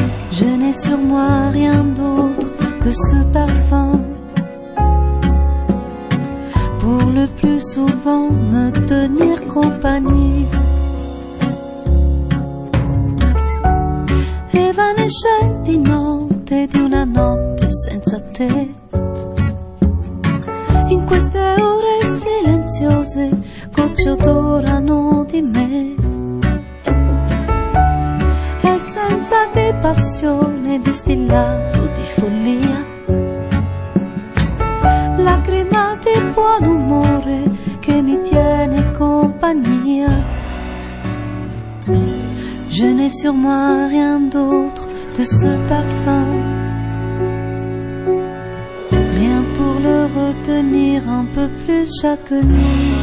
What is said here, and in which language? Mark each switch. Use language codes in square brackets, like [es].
[fr] Je n'ai sur moi rien d'autre que ce parfum. Pour le plus souvent me tenir compagnie. [it] Evanescente di notte di una notte senza te. In queste ore silenziose gocce odorano di me. Essenza di passione, distillato di follia. Lacrima di buon umore che mi tiene compagnia. [fr] Je n'ai sur moi rien d'autre que ce parfum. Rien pour le retenir un peu plus chaque nuit.